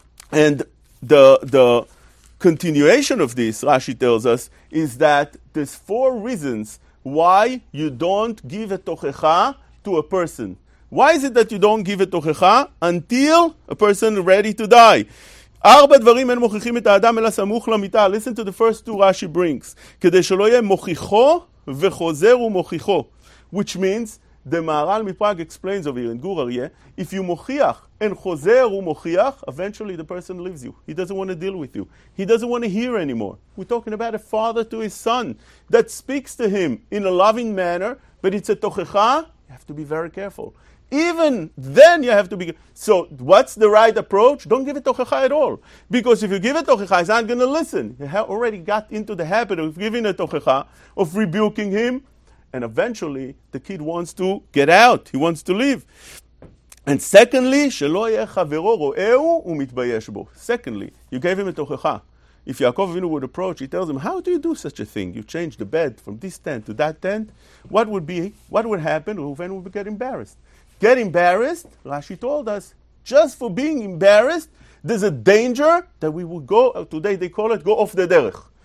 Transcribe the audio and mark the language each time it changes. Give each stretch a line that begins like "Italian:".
English: And the continuation of this, Rashi tells us, is that there's four reasons why you don't give a tochecha to a person. Why is it that you don't give a tochecha until a person is ready to die?
Hebrew: ארבע דברים אין מוכיחים את האדם אלא סמוך למיטה.
English: Listen to the first two Rashi brings.
Hebrew: כדי שלא יהיה מוכיחו וחוזר ומוכיחו.
English: Which means, the Maharal Miprag explains over here in Gur Aryeh, if you מוכיח and
Hebrew: חוזר ומוכיח,
English: eventually the person leaves you. He doesn't want to deal with you. He doesn't want to hear anymore. We're talking about a father to his son that speaks to him in a loving manner, but it's a תוכחה. You have to be very careful. Even then you have to be... So what's the right approach? Don't give it tochecha at all. Because if you give it tochecha, he's not going to listen. You have already got into the habit of giving it tochecha, of rebuking him. And eventually, the kid wants to get out. He wants to leave. And secondly,
Hebrew: שלא יהיה חברו רואהו ומתבייש בו.
English: Secondly, you gave him a tochecha. If Yaakov Avinu would approach, he tells him, how do you do such a thing? You change the bed from this tent to that tent. What would happen? Reuven would get embarrassed. Get embarrassed, Rashi told us, just for being embarrassed, there's a danger that we will go, today they call it, go off the derech.